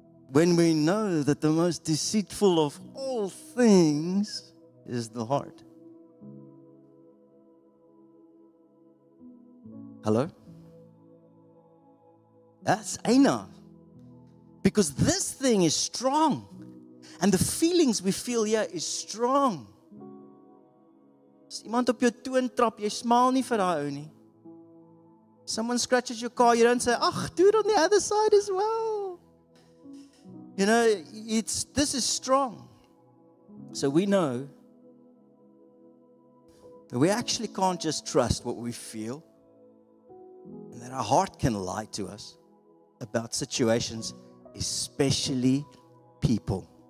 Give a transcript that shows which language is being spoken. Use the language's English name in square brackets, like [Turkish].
[English] When we know that the most deceitful of all things is the heart. Hello? That's Aina. Because this thing is strong. And the feelings we feel here is strong. [Afrikaans] Iemand op jou toon trap, jy smaal nie vir daai ou nie. [English] Someone scratches your car, you don't say, ach, dude, on the other side as well. You know, this is strong. So we know that we actually can't just trust what we feel, and that our heart can lie to us about situations, especially people.